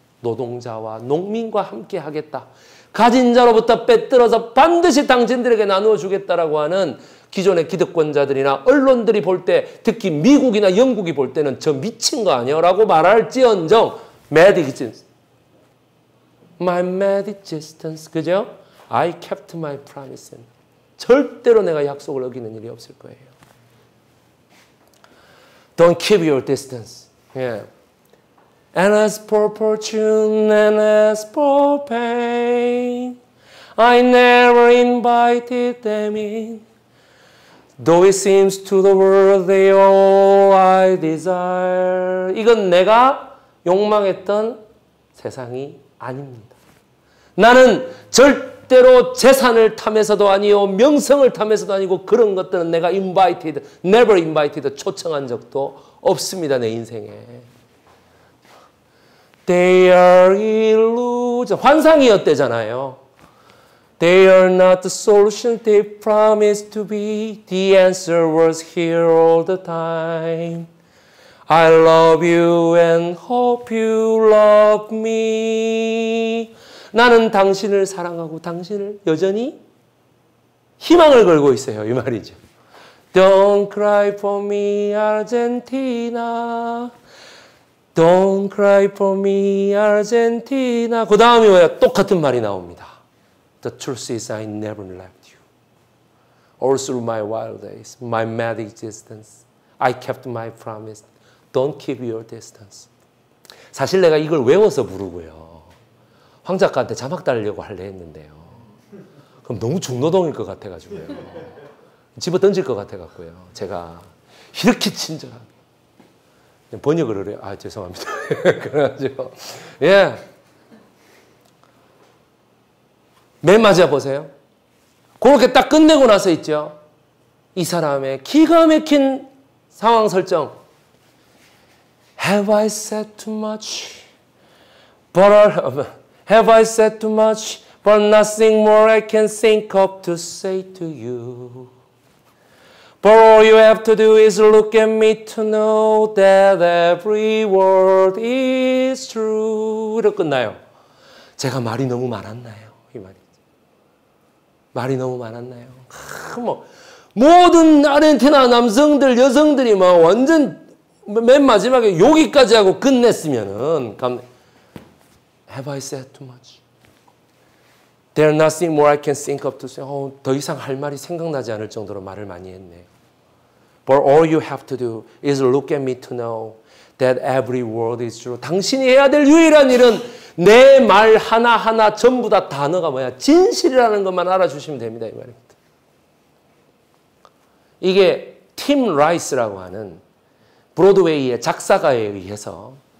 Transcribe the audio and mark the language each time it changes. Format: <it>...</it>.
<ko>노동자와 농민과 함께 하겠다. 가진 자로부터 빼뜨려서 반드시 당신들에게 나누어 주겠다라고 하는 기존의 기득권자들이나 언론들이 볼 때 특히 미국이나 영국이 볼 때는 저 미친 거 아니야? 라고 말할지언정</ko> <en>mad existence. My mad existence.</en> <ko>그죠?</ko> <en>I kept my promise.</en> <ko>절대로 내가 약속을 어기는 일이 없을 거예요.</ko> <en>Don't keep your distance. Yeah. And as for fortune and as for pain, I never invited them in. Though it seems to the world they all I desire.</en> <ko>이건 내가 욕망했던 세상이 아닙니다. 나는 절대로 재산을 탐해서도 아니요 명성을 탐해서도 아니고 그런 것들은 내가</ko> <en>invited, never invited,</en> <ko>초청한 적도 없습니다. 내 인생에.</ko> <en>They are illusion.</en> <ko>환상이었대잖아요.</ko> <en>They are not the solution they promised to be. The answer was here all the time. I love you and hope you love me.</en> <ko>나는 당신을 사랑하고 당신을 여전히 희망을 걸고 있어요. 이 말이죠.</ko> <en>Don't cry for me, Argentina. Don't cry for me, Argentina.</en> <ko>그 다음이 뭐야? 똑같은 말이 나옵니다.</ko> <en>The truth is I never left you. All through my wild days, my mad existence, I kept my promise. Don't keep your distance.</en> <ko>사실 내가 이걸 외워서 부르고요. 황 작가한테 자막 달려고 할래 했는데요. 그럼 너무 중노동일 것 같아가지고요. 집어던질 것 같아가지고요. 제가 이렇게 친절하게 번역을 하래요. 아, 죄송합니다. 그래가지고 예. 맨 맞아 보세요. 그렇게 딱 끝내고 나서 있죠. 이 사람의 기가 막힌 상황 설정.</ko> <en>Have I said too much? But have I said too much? But nothing more I can think of to say to you. But all you have to do is look at me to know that every word is true.</en> <ko>이렇게 끝나요. 제가 말이 너무 많았나요? 이 말이. 말이 너무 많았나요? 뭐 모든 아르헨티나 남성들, 여성들이 막 완전 맨 마지막에 여기까지 하고 끝냈으면은</ko> <en>Have I said too much? There are nothing more I can think of to say.</en> <ko>더 이상 할 말이 생각나지 않을 정도로 말을 많이 했네.</ko> <en>But all you have to do is look at me to know that every word is true.</en> <ko>당신이 해야 될 유일한 일은 내 말 하나하나 전부 다 단어가 뭐야? 진실이라는 것만 알아주시면 됩니다. 이 말입니다. 이게 팀 라이스라고 하는 브로드웨이의 작사가에 의해서</ko>